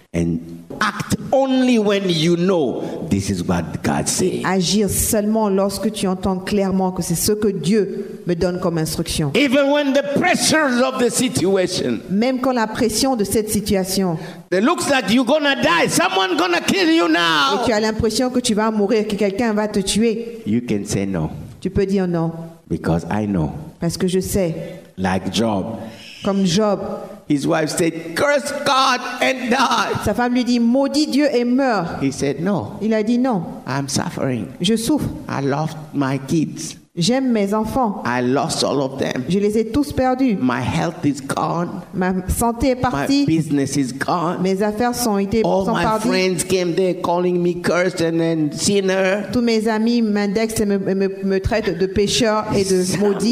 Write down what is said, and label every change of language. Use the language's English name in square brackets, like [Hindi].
[English] and act only when you know this is what God says. [French] Agir seulement lorsque tu entends clairement que c'est ce que Dieu me donne comme instruction. [English] Even when the pressures of the situation, [French] même quand la pression de cette situation, [English] it looks like you're gonna die. Someone gonna kill you now. [French] Et tu as l'impression que tu vas mourir, que quelqu'un va te tuer. [English] You can say no. [French] Tu peux dire non. [English] Because I know. [French] Parce que je sais. [English] Like Job. [French] Comme Job. [English] His wife said, "Curse God and die." [French] Sa femme lui dit, "Maudit Dieu et meurs." [English] He said, "No." [French] Il a dit non. [English] I'm suffering. [French] Je souffre. [English] I lost my kids. [French] J'aime mes enfants. [English] I lost all of them. [French] Je les ai tous perdus. [English] My health is gone. [French] Ma santé est partie. [English] My business is gone. [French] Mes affaires sont été [English] all [French] sont [English] my [French] perdues. [English] Friends came there calling me cursed and then sinner. [French] Tous mes amis m'indexent et me traitent de pécheur et de maudit.